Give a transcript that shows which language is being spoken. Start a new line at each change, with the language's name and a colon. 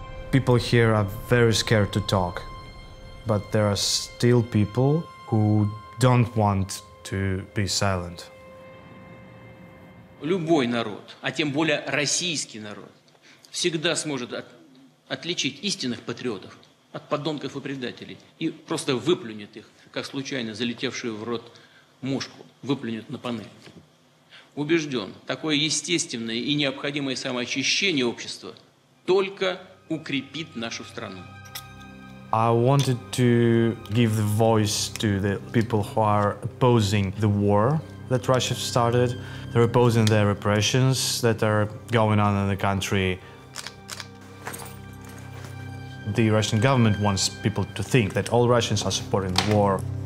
English: People here are very scared to talk. But there are still people who don't want to be silent.
Russian: Любой народ, а тем более российский народ, всегда сможет отличить истинных патриотов от подонков и предателей и просто выплюнет их, как случайно залетевшую в рот мушку, выплюнет на панель. Убежден, такое естественное и необходимое самоочищение общества только укрепит нашу страну.
English: I wanted to give the voice to the people who are opposing the war that Russia started. They're opposing the repressions that are going on in the country. The Russian government wants people to think that all Russians are supporting the war.